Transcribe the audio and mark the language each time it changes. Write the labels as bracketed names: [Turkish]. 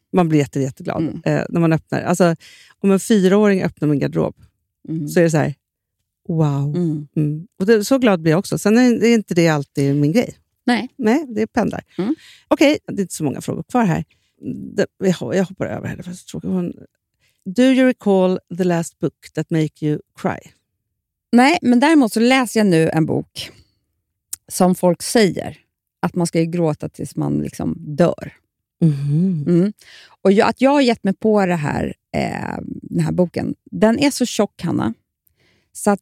[Swedish] Man blir jätteglad när man öppnar. Alltså, om en 4-åring öppnar min garderob så är det så här, wow. Mm. Mm. Och det, så glad blir jag också. Sen är inte det alltid min grej. Nej. Nej, det är pendlar. Mm. Okej, okay, det är inte så många frågor kvar här. Jag hoppar över här. [English] Do you recall the last book that make you cry? [Swedish] Nej, men däremot så läser jag nu en bok som folk säger att man ska ju gråta tills man liksom dör. Mm. Mm. Och att jag har gett mig på det här, den här boken, den är så tjock, Hanna. Så att